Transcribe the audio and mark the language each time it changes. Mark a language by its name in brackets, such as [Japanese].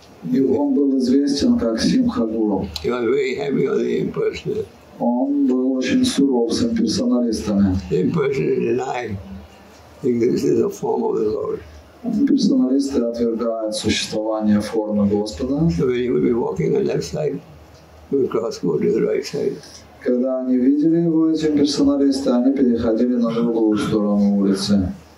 [Russian] И он был известен как Симхагуру. [English] He was very heavy on the impersonal. [Russian] Он был очень суров с имперсоналистами. [English] The impersonal denied the existence of form of the Lord. [Russian] Имперсоналисты отвергают существование формы Господа. [English] So when he would be walking on the left side, he would cross over to the right side. [Russian] Когда они видели его, эти имперсоналисты, они переходили на другую сторону улицы.